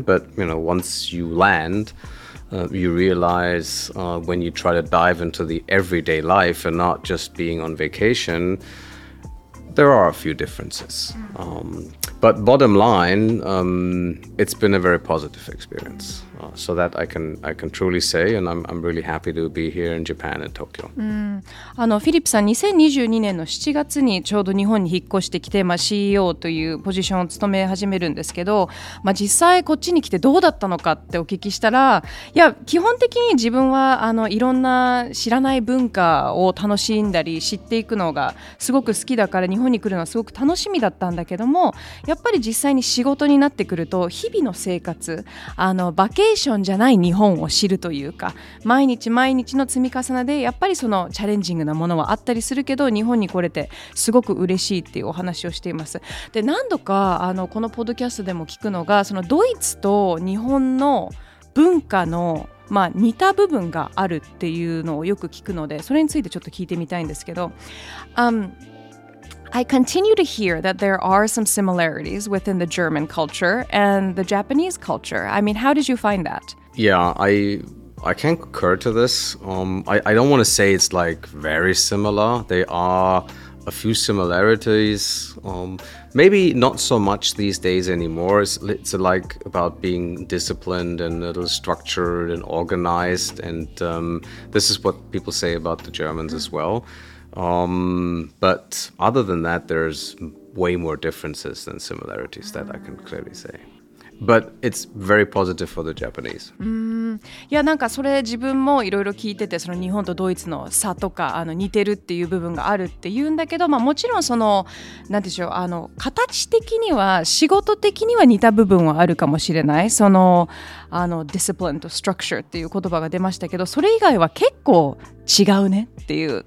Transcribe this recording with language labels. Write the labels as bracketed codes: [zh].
[en] But, you know, once you land, you realize when you try to dive into the everyday life and not just being on vacation, there are a few differences. But bottom line, it's been a very positive experience. So that I can truly say, and I'm really happy to be here in Japan and Tokyo. [ja] フィリップさん、2022年の7月にちょうど日本に引っ越してきて、CEO というポジションを務め始めるんですけど、実際こっちに来てどうだったのかってお聞きしたら、いや、基本的に自分はいろんな知らない文化を楽しんだり知っていくのがすごく好きだから、日本に来るのはすごく楽しみだったんだけども、やっぱり実際に仕事になってくると、日々の生活、バケーションじゃない日本を知るというか、毎日毎日の積み重ねでやっぱりそのチャレンジングなものはあったりするけど、日本に来れてすごく嬉しいっていうお話をしています。で、何度かこのポッドキャストでも聞くのが、そのドイツと日本の文化の似た部分があるっていうのをよく聞くので、それについてちょっと聞いてみたいんですけど、 [en] I continue to hear that there are some similarities within the German culture and the Japanese culture. I mean, how did you find that? Yeah, I can concur to this. I don't want to say it's like very similar. There are a few similarities. Maybe not so much these days anymore. It's like about being disciplined and a little structured and organized. And this is what people say about the Germans as well. But other than that, there's way more differences than similarities that I can clearly say. But it's very positive for the Japanese. [ja] いや、なんかそれ自分もいろいろ聞いてて、その日本とドイツの差とか似てるっていう部分があるっていうんだけど、もちろんその何でしょう、形的には仕事的には似た部分はあるかもしれない。そのディスプリンとストラクチャーっていう言葉が出ましたけど、それ以外は結構違うねっていう。